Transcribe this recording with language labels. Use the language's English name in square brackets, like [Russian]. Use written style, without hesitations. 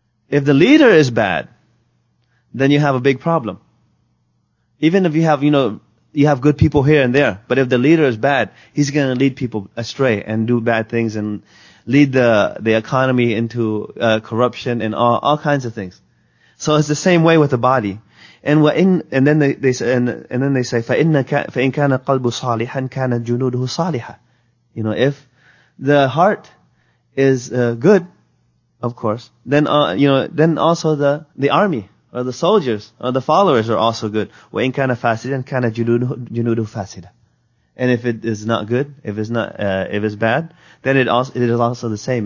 [English] If the leader is bad, then you have a big problem. Even if you have, you know, you have good people here and there, but if the leader is bad, he's going to lead people astray and do bad things and lead the economy into corruption and all kinds of things. So it's the same way with the body. And then they say, [Arabic] فَإِنْ كَانَ قَلْبُ صَالِحًا كَانَ جُنُودُهُ صَالِحًا. [English] You know, if the heart is good, of course, then, you know, then also the army, or the soldiers, or the followers are also good. [Arabic] وَإِنْ كَانَ فَاسِدًا كَانَ جُنُودُهُ فَاسِدًا. [English] And if it is not good, if it's not, if it's bad, then it is also the same.